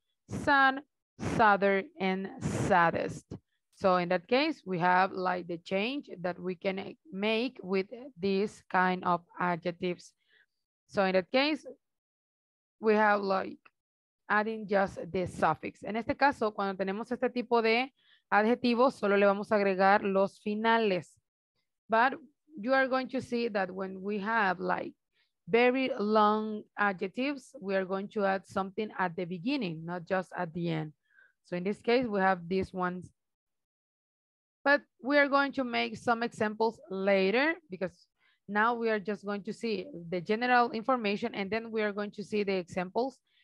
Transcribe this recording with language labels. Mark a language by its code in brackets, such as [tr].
[en] Sun, southern, and saddest. So in that case, we have like the change that we can make with this kind of adjectives. So in that case, we have like adding just the suffix. [es] En este caso, cuando tenemos este tipo de adjetivos, solo le vamos a agregar los finales. [en] But you are going to see that when we have like very long adjectives, we are going to add something at the beginning, not just at the end. So in this case, we have these ones. But we are going to make some examples later because now we are just going to see the general information and then we are going to see the examples.